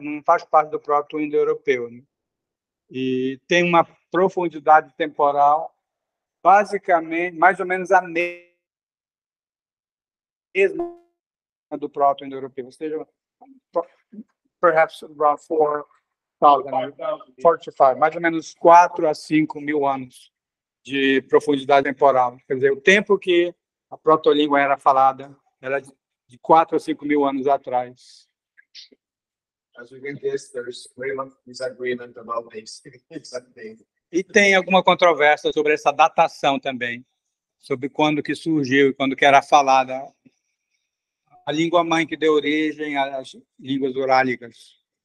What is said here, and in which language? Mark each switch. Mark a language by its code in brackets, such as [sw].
[pt] Não faz parte do próprio indo-europeu, né? E tem uma profundidade temporal basicamente mais ou menos a mesma do próprio indo-europeu, ou seja, [en] perhaps around 4,000 to 5,000, [pt] mais ou menos 4 a 5 mil anos de profundidade temporal, quer dizer, o tempo que a proto-língua era falada, era de 4 a 5 mil anos atrás. [en] As we can guess, there is very much disagreement about this exact date. [pt] E tem alguma controvérsia sobre essa datação também, sobre quando que surgiu e quando que era falada a língua mãe que deu origem às línguas urálicas.